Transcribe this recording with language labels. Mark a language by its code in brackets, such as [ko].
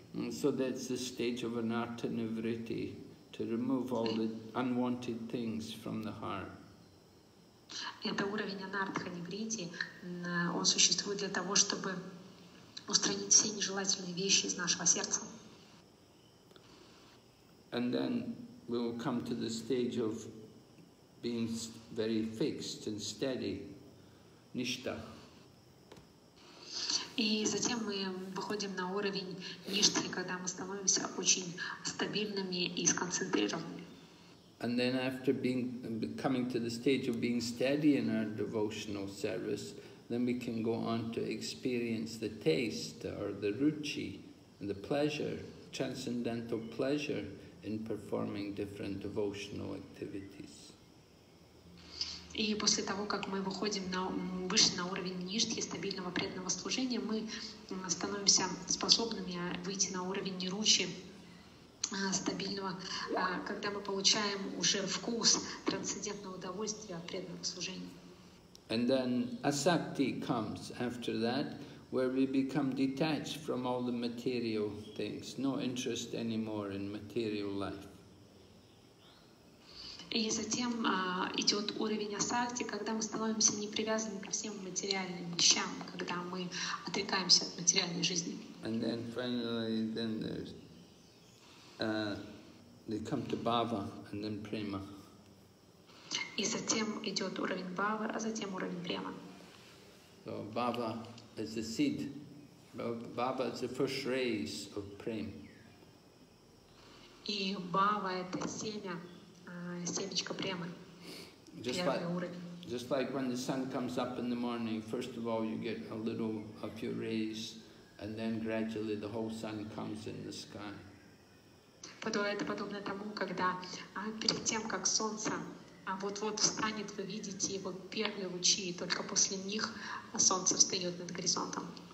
[en] So that's the stage of anatta nivritti, to remove all the unwanted things from the heart. [ru] Это уровень анартха неврити, он существует для того, чтобы устранить все нежелательные вещи из нашего сердца. [en] And then we will come to the stage of being very fixed and steady, ништа. [ru] И затем мы выходим на уровень ништы, когда мы становимся очень стабильными и сконцентрированными. [en] And then after coming to the stage of being steady in our devotional service, then we can go on to experience the taste or the ruchi, the pleasure, transcendental pleasure in performing different devotional activities. [ru] И после того, как мы выходим выше на уровень ништхи, стабильного преданного служения, мы становимся способными выйти на уровень ручи, стабильного, когда мы получаем уже вкус трансцендентного удовольствия от преданного служения. [en] And then asakti comes after that, where we become detached from all the material things, no interest anymore in material life. [ru] И затем идет уровень асакти, когда мы становимся не привязаны ко всем материальным вещам, когда мы отрекаемся от материальной жизни. [en] And then finally, then there's they come to bhava and then prema. [ru] И затем идет уровень бхавы, а затем уровень према. [en] So bhava is the seed. Bhava is the first rays of prema. [ru] И бхава это семя, семечко премы. [en] Just like when the sun comes up in the morning, first of all you get a little a few rays, and then gradually the whole sun comes in the sky. [ru] Это подобно тому, когда перед тем, как солнце вот-вот встанет, вы видите его первые лучи, и только после них солнце встает над горизонтом.